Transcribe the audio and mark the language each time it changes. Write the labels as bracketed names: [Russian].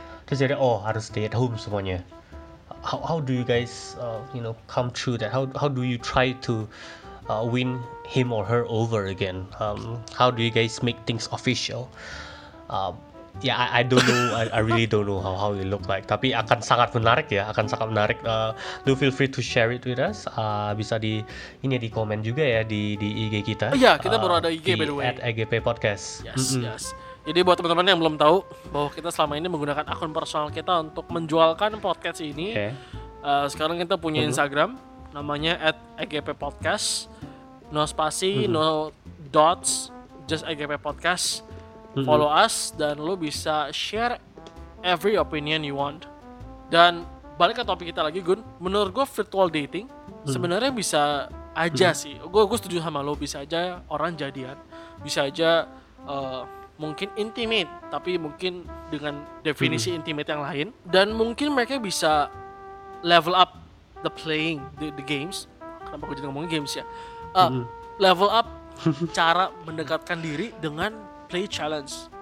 [Indonesian] Terus jadi harus [English] stay at home [Indonesian] semuanya. [English] How do you guys come through that? How do you try to win him or her over again? How do you guys make things official? I don't know. I really don't know how it look like. [Indonesian] Tapi akan sangat menarik ya. Akan sangat menarik. [English] Do feel free to share it with us. [Indonesian] Bisa di ini di komen juga ya di IG kita. Iya, kita baru ada IG [English] by the way. [Indonesian] @EGPPodcast. [English] Yes. [Indonesian] Jadi buat teman-teman yang belum tahu bahwa kita selama ini menggunakan akun personal kita untuk menjualkan podcast ini. Okay. Sekarang kita punya Instagram. Namanya @EGPPodcast, no spasi, [English] no dots, just [Indonesian] EGPPodcast. [English] Follow us [Indonesian] dan lo bisa [English] share every opinion you want. [Indonesian] Dan balik ke topik kita lagi Gun, menurut gue virtual dating sebenarnya bisa aja sih. Gue setuju sama lo, bisa aja orang jadian, bisa aja mungkin intimate, tapi mungkin dengan definisi intimate yang lain. Dan mungkin mereka bisa [English] level up the playing the games. [Indonesian] Kenapa aku jadi ngomongin games ya? [English] Level up [Indonesian] cara mendekatkan diri dengan [English] play challenge.